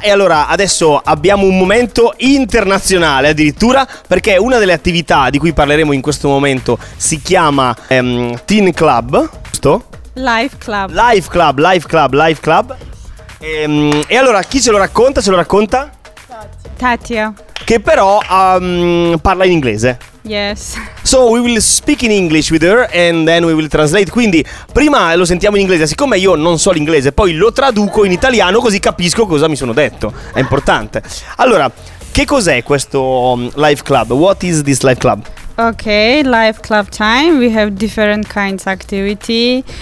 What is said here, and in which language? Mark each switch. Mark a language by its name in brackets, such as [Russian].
[Italian] E allora adesso abbiamo un momento internazionale addirittura, perché una delle attività di cui parleremo in questo momento si chiama Teen Club, giusto? [English] Life Club. Life Club, Life Club, Life Club. [Italian] E allora chi ce lo racconta? Ce lo racconta? Tatia. Che però parla in inglese. [English] Yes. So we will speak in English with her and then we will translate. [Italian] Quindi prima lo sentiamo in inglese, siccome io non so l'inglese, poi lo traduco in italiano così capisco cosa mi sono detto. È importante. Allora, che cos'è questo Life Club? [English] What is this Life Club? Okay, Life Club time. We have different kinds of activity.